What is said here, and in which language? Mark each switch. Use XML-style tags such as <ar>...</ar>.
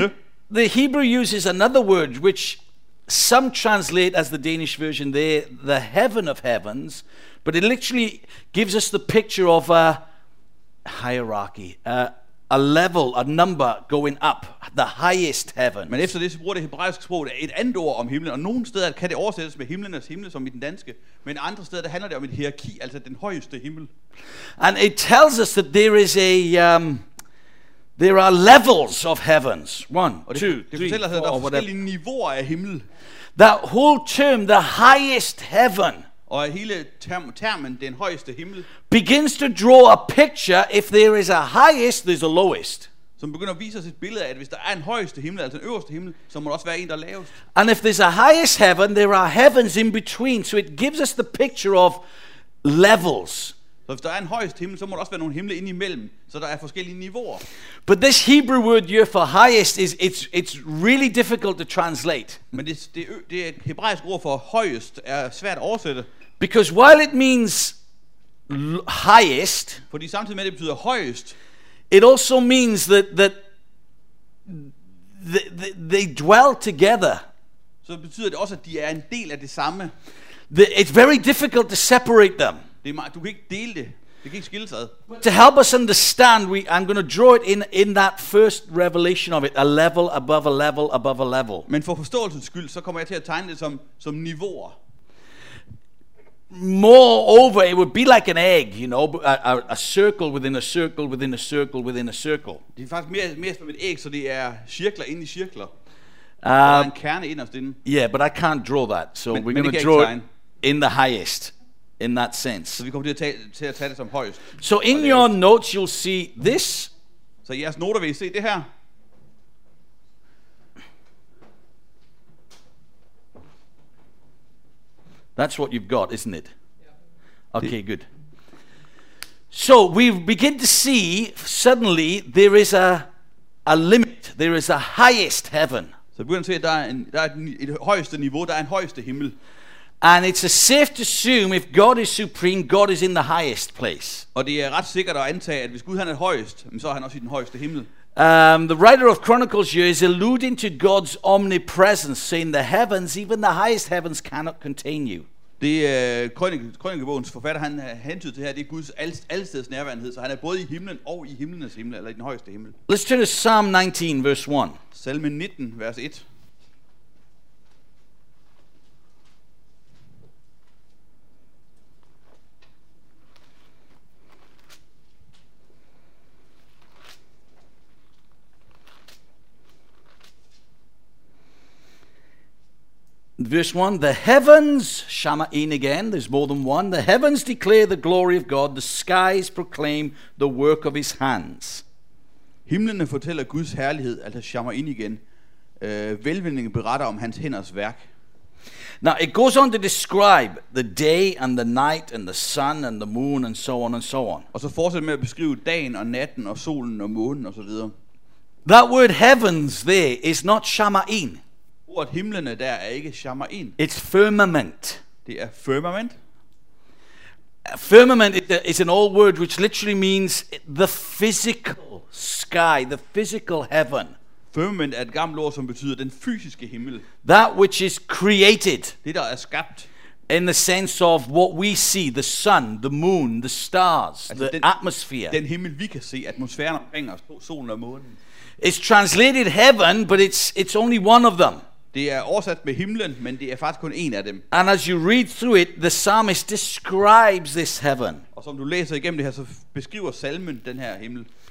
<en>Then the Hebrew uses another word, which some translate as the Danish version there, the heaven of heavens, but it literally gives us the picture of a hierarchy, a level, a number going up, the highest heaven.</en> <da>Men efter det, så bruger det hebraiske sprog et andet ord om himlen, og nogle steder kan det oversættes med himlenes himle, som i den danske, men andre steder, der handler det om et hierarki, altså den højeste himmel.</da> <en>And it tells us that there is a there are levels of heavens. One, two, three, four,</en> <da>der er forskellige niveauer af himmel.</da> <en>That whole term, the highest heaven,</en> <da>og hele termen, den højeste himmel,</da> <en>begins to draw a picture. If there is a highest, there's a lowest.</en> <da>Som begynder at vise os et billede af, at hvis der er en højeste himmel, altså en øverste himmel, så må der også være en, der er lavest.</da> <en>And if there's a highest heaven, there are heavens in between. So it gives us the picture of levels.</en> <da>Så hvis der er en højeste himmel, så må der også være nogle himle indimellem, så der er forskellige niveauer.</da> <en>But this Hebrew word here for highest is it's really difficult to translate.</en> <da>Men det er et hebraisk ord for højest er svært at oversætte.</da> <en>Because while it means highest,</en> <da>fordi samtidig med det betyder højest,</da> <en>it also means that they dwell together.</en> <da>Så betyder det også, at de er en del af det samme.</da> <en>It's very difficult to separate them.</en> <da>Det er meget, du kan ikke dele det. Det kan ikke skilles ad.</da> <en>To help us understand, I'm going to draw it in that first revelation of it, a level above a level above a level.</en> <da>Men for forståelsens skyld, så kommer jeg til at tegne det som niveauer.</da> <en>Moreover, it would be like an egg, you know, a circle within a circle within a circle within a circle.</en> <da>Det er faktisk mere som et æg, så det er cirkler ind i cirkler. Der er en kerne inderst inde.</da> <en>Yeah, but I can't draw that, so we're going to draw it in the highest. In that sense.</en> <da>Så vi kommer til at tage det som højst.</da> <en>So in your notes you'll see this.</en> <da>Så i jeres noter vil I se det her.</da> <en>That's what you've got, isn't it? Okay, good. So we begin to see suddenly there is a limit. There is a highest heaven.</en> <da>Så vi kan se, at der er et højeste niveau, der er en højeste himmel.</da> <en>And it's a safe to assume if God is supreme, God is in the highest place.</en> <da>Og det er ret sikkert at antage, at hvis Gud han er højest, så er han også i den højeste himmel.</da> <en>The writer of Chronicles here is alluding to God's omnipresence, saying the heavens, even the highest heavens, cannot contain you.</en> <da>Det er Krønikebogens forfatter, han hentyder til her, det er Guds alsteds nærværenhed, så han er både i himlen og i himlenes himmel, eller i den højeste himmel.</da> <en>Let's turn to Psalm 19, verse 1.</en> <da>Salme 19, vers 1.</da> <en>Verse 1, the heavens, Shamain again, there's more than one. The heavens declare the glory of God, the skies proclaim the work of his hands.</en> <da>Himlene fortæller Guds herlighed, altså Shamain igen. Velvindingen beretter om hans hænders værk.</da> <en>Now it goes on to describe the day and the night and the sun and the moon and so on and so on.</en> <da>Og så fortsætter med at beskrive dagen og natten og solen og månen og så videre.</da> <en>That word heavens there is not Shamain.</en> <da>Ordet himlene der er ikke Shamain.</da> <en>It's firmament.</en> <da>Det er firmament.</da> <en>Firmament is an old word which literally means the physical sky, the physical heaven.</en> <da>Firmament er et gammelt ord, som betyder den fysiske himmel.</da> <en>That which is created.</en> <da>Det der er skabt.</da> <en>In the sense of what we see, the sun, the moon, the stars, altså the atmosphere.</en> <da>Den himmel vi kan se, atmosfæren omkring os, solen og månen.</da> <en>It's translated heaven, but it's only one of them.</en> <da>Det er oversat med himlen, men det er faktisk kun en af dem.</da> <en>And as you read through it, the psalmist describes this heaven.</en> <da>Og som du læser igennem det her, så beskriver salmen den her himmel.</da>